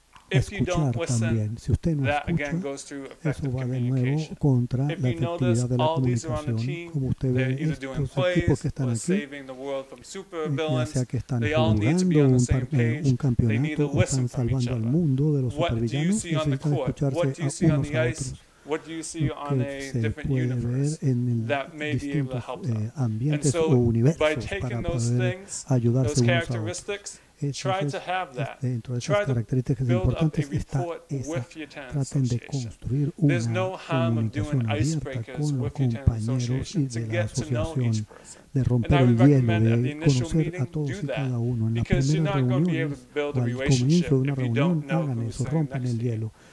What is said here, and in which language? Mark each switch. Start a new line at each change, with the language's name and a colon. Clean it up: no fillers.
Spanish: Escuchar también. Si usted no escucha, eso va de nuevo contra la efectividad de la comunicación. Como usted ve, estos equipos que están aquí, ya sea que están jugando un campeonato o están salvando al mundo de los supervillanos, necesitan escucharse a unos a otros.
English: What do you see on a different universe that may be able to help them? And so, by taking those things, those characteristics, try to have that.
Spanish: Dentro de esas características importantes está esa. Traten de construir una comunicación abierta con los compañeros y de la asociación, de romper el hielo, de conocer a todos y cada uno. En la primera reunión, al comienzo de una reunión, hagan eso, rompan el hielo.